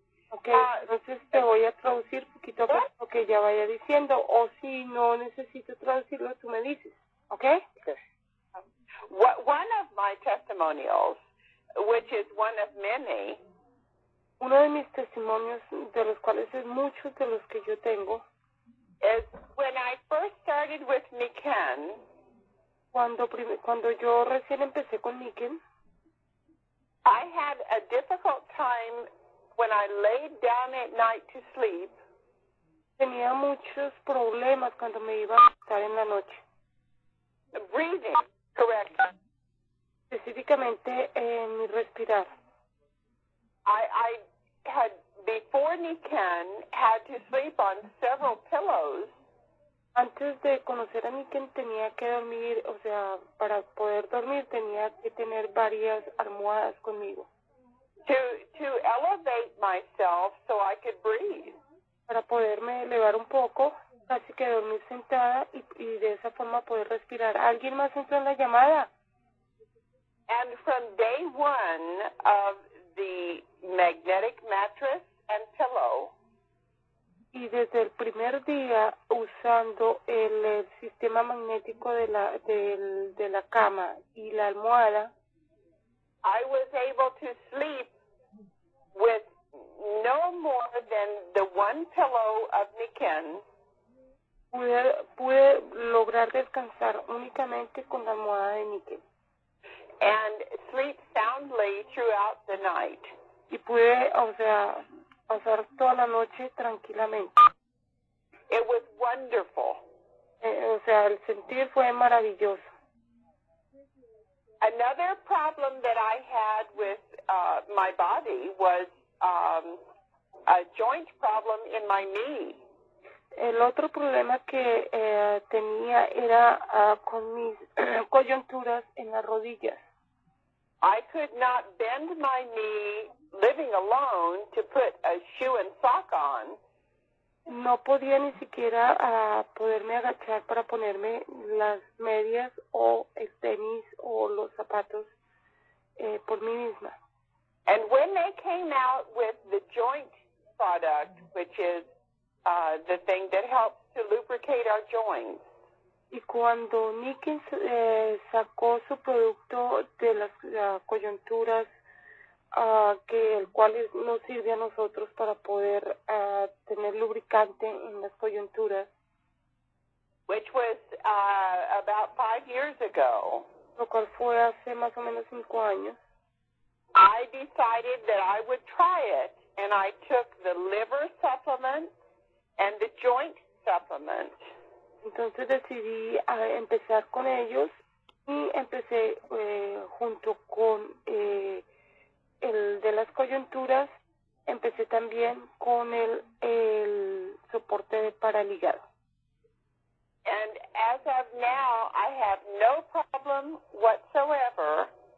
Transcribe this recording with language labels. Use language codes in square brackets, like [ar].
[es] Okay, entonces te voy a traducir poquito a poco que ya vaya diciendo, o si no necesito traducirlo, tú me dices, okay? [en] Okay. One of my testimonials, which is one of many. [es] Uno de mis testimonios, de los cuales es muchos de los que yo tengo, [en] es when I first started with Miken. [es] Cuando yo recién empecé con Miken, [en] I had a difficult time when I laid down at night to sleep. [es] Tenía muchos problemas cuando me iba a estar en la noche. [en] Breathing, correct. [es] Específicamente en mi respirar. [en] I had, before Niken, had to sleep on several pillows. [es] Antes de conocer a Niken, tenía que dormir, o sea, para poder dormir, tenía que tener varias almohadas conmigo. [en] To elevate myself so I could breathe. [es] Para poderme elevar un poco, así que dormir sentada y de esa forma poder respirar. ¿Alguien más entró en la llamada? [en] And from day one of the magnetic mattress and pillow. [es] Y desde el primer día usando el sistema magnético de la cama y la almohada, [en] I was able to sleep with no more than the one pillow of Niken. [es] Pude lograr descansar únicamente con la almohada de Niken. [en] And sleep soundly throughout the night. [es] Y pude, o sea, pasar toda la noche tranquilamente. [en] It was wonderful. [es] O sea, el sentir fue maravilloso. [en] Another problem that I had with my body was a joint problem in my knee. [es] El otro problema que tenía era con mis coyunturas en las rodillas. [en] I could not bend my knee living alone to put a shoe and sock on. [es] No podía ni siquiera poderme agachar para ponerme las medias o el tenis o los zapatos por mí misma. [en] And when they came out with the joint product, which is the thing that helps to lubricate our joints. [es] Y cuando Niken sacó su producto de las coyunturas, que el cual nos sirve a nosotros para poder tener lubricante en las coyunturas. [en] Which was about 5 years ago. [es] Lo cual fue hace más o menos 5 años. [en] I decided that I would try it, and I took the liver supplement and the joint supplement. [es] Entonces decidí empezar con ellos y empecé junto con el de las coyunturas, empecé también con el soporte para el hígado. [en] And as of now, I have no problem whatsoever.